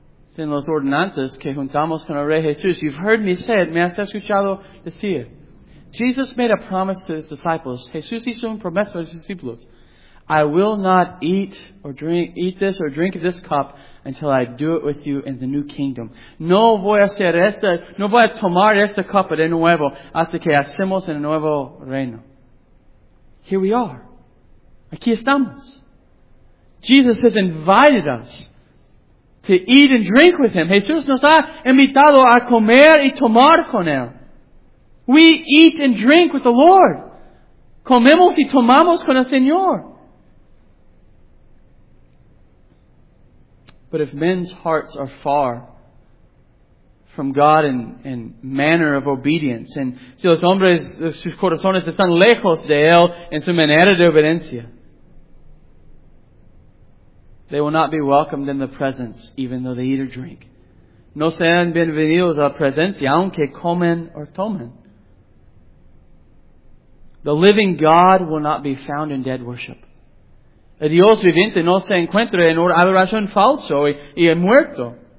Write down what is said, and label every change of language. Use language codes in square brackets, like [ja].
[en] It's in [es] los ordenanzas que juntamos con el Rey Jesús. [en] You've heard me say it. [es] ¿Me has escuchado decir? [en] Jesus made a promise to his disciples. [es] Jesús hizo un promesa a sus discípulos. [en] I will not eat this or drink this cup until I do it with you in the new kingdom. [es] No voy a hacer esta, no voy a tomar esta copa de nuevo hasta que hacemos el nuevo reino. [en] Here we are. [es] Aquí estamos. [en] Jesus has invited us to eat and drink with him. [es] Jesús nos ha invitado a comer y tomar con él. [en] We eat and drink with the Lord. [es] Comemos y tomamos con el Señor. [en] But if men's hearts are far from God in manner of obedience, and [es] si los hombres, sus corazones están lejos de él en su manera de obediencia, [en] they will not be welcomed in the presence, even though they eat or drink. [es] No sean bienvenidos a la presencia, aunque comen o tomen. [en] The living God will not be found in dead worship. [es] El Dios viviente no se encuentra en adoración falso y muerto.